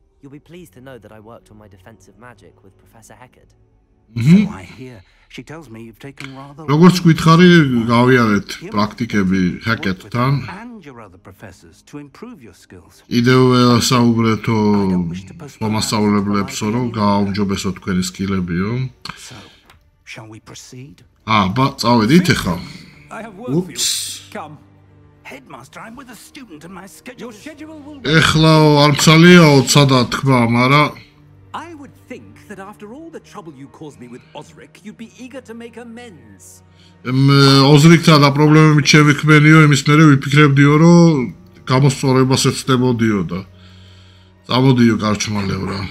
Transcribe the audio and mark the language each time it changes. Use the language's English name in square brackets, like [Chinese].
[English] You'll be pleased to know that I worked on my defensive magic with Professor Hecate. Mm-hmm. So I hear. She tells me you've taken rather. [Georgian] როგორც გითხარი, გავიარეთ პრაქტიკები Hecate-თან. [English] And your other professors to improve your skills. [Georgian] Იდევე საუბრეთო მასწავლებლებსო, რომ გააუმჯობესო თქვენი სკილებიო. [English] Shall we proceed? [Georgian] Ah, but წავედით ახლა. [English] I have work for you. Come. Headmaster, I'm with a student and my schedule. Your schedule will. [Georgian] ეხლა არ ცალიაო, ცადა თქვა, მაგრამ [English] I would think that after all the trouble you caused me with Osric, you'd be eager to make amends. [Georgian] Osric-თან და პრობლემებით შევიქმენიო, იმის მერე ვიფიქრებდიო, რომ გამოსწორებას ეცდებოდიო და წამოდიო გარჩმალეო რა.